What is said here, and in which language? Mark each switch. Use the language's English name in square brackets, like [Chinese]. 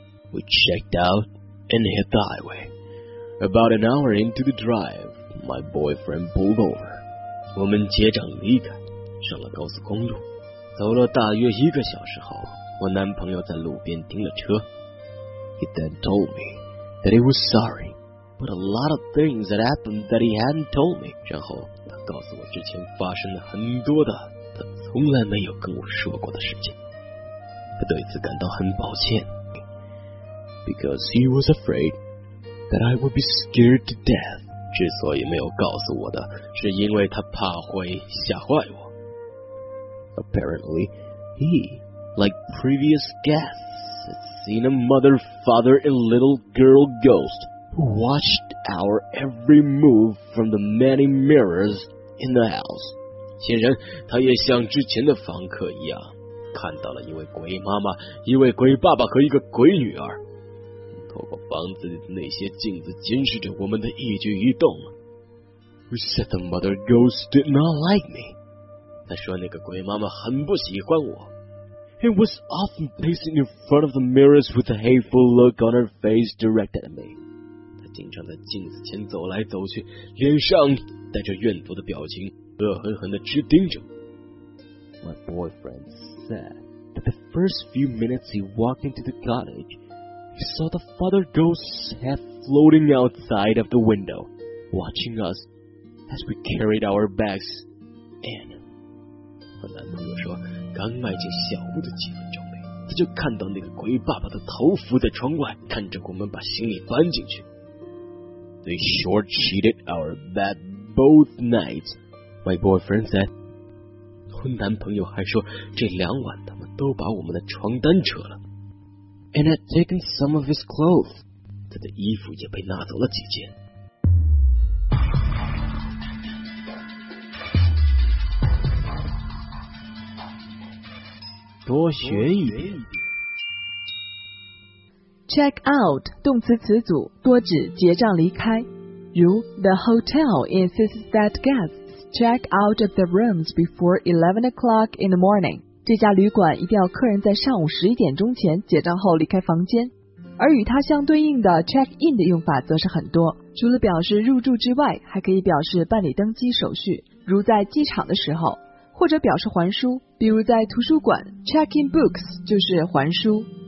[English] We checked out and hit the highway. About an hour into the drive. My boyfriend pulled over. [Chinese] 我们结账离开，上了高速公路，走了大约一个小时后，我男朋友在路边停了车。 [English] He then told me that he was sorry, but a lot of things had happened that he hadn't told me. [Chinese] 然后他告诉我之前发生了很多的他从来没有跟我说过的事情。他对此感到很抱歉， [English] because he was afraid that I would be scared to death. [Chinese] 之所以没有告诉我的，是因为他怕会吓坏我。 [English] Apparently, he, like previous guests, had seen a mother, father, and little girl ghost who watched our every move from the many mirrors in the house. [Chinese] 显然，他也像之前的房客一样，看到了一位鬼妈妈、一位鬼爸爸和一个鬼女儿。透过房子里的那些镜子监视着我们的一举一动。 [English] He said the mother ghost did not like me. [Chinese] 他说那个鬼妈妈很不喜欢我。 [English] He was often pacing in front of the mirrors with a hateful look on her face directed at me. [Chinese] 他经常在镜子前走来走去，脸上带着怨毒的表情，恶狠狠地直盯着。 [English] My boyfriend said that the first few minutes he walked into the cottage,He saw the father ghost's head floating outside of the window, watching us as we carried our bags in. [Chinese] 我男朋友说，刚迈进小屋的几分钟内，他就看到那个鬼爸爸的头伏在窗外，看着我们把行李搬进去。 [English] They short-sheeted our bed both nights, my boyfriend said. [Chinese] 我男朋友还说，这两晚他们都把我们的床单扯了。 [English] And had taken some of his clothes. [Chinese] 他的衣服也被拿走了几件。多学一点。 [English] Check out [Chinese] 动词词组多指结账离开，如 [English] The hotel insists that guests check out of the rooms before 11 o'clock in the morning. [Chinese] 这家旅馆一定要客人在上午11点钟前结账后离开房间。而与它相对应的 check in 的用法则是很多，除了表示入住之外，还可以表示办理登机手续，如在机场的时候，或者表示还书，比如在图书馆 [English] check in books [Chinese] 就是还书。